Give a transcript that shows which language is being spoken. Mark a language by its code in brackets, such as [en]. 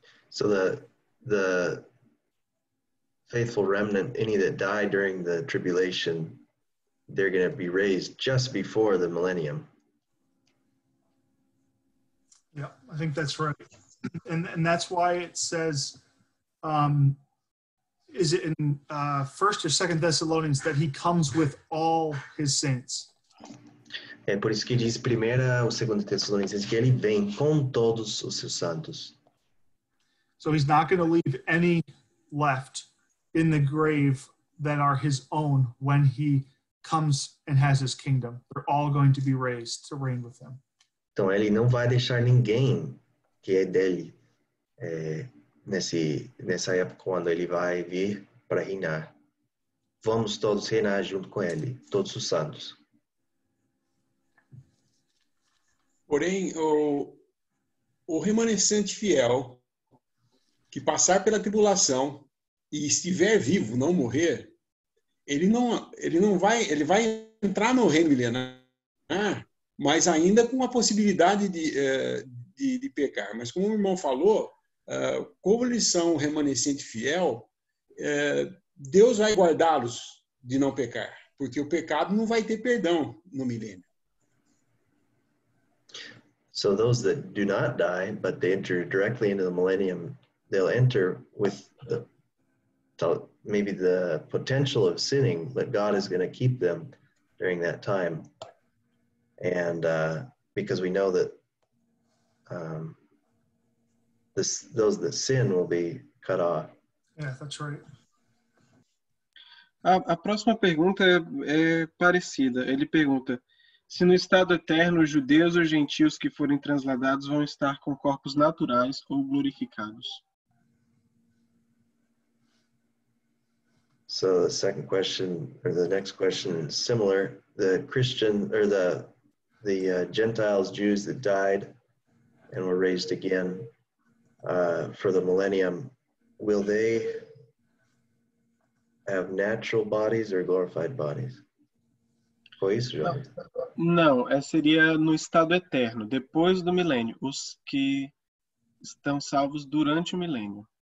[en] So the faithful remnant, any that die during the tribulation, they're going to be raised just before the millennium. Yeah, I think that's right. And that's why it says... is it in 1st or 2nd Thessalonians that he comes with all his saints? [pt] É por isso que diz 1ª ou 2ª Tessalonicenses que ele vem com todos os seus santos. [en] So he's not going to leave any left in the grave that are his own when he comes and has his kingdom. They're all going to be raised to reign with him. [pt] Então ele não vai deixar ninguém que é dele. Nessa época, quando ele vai vir para reinar, vamos todos reinar junto com ele, todos os santos. Porém, o remanescente fiel que passar pela tribulação e estiver vivo, não morrer, ele vai entrar no reino milenar, mas ainda com a possibilidade de pecar. Mas como o irmão falou, como eles são o remanescente fiel, Deus vai guardá-los de não pecar, porque o pecado não vai ter perdão no milênio. [en] So those that do not die, but they enter directly into the millennium, they'll enter with maybe the potential of sinning, but God is going to keep them during that time. And because we know that those that sin will be cut off. Yeah, that's right. [pt] A próxima pergunta é parecida. Ele pergunta: se no estado eterno os judeus ou gentios que forem transladados vão estar com corpos naturais ou glorificados? [en] So the second question, or the next question, similar: the Christian or the Gentiles, Jews that died and were raised again for the millennium, will they have natural bodies or glorified bodies? [pt] Foi isso, Jorge? Não, seria no estado eterno, depois do milênio, os que estão salvos durante o milênio.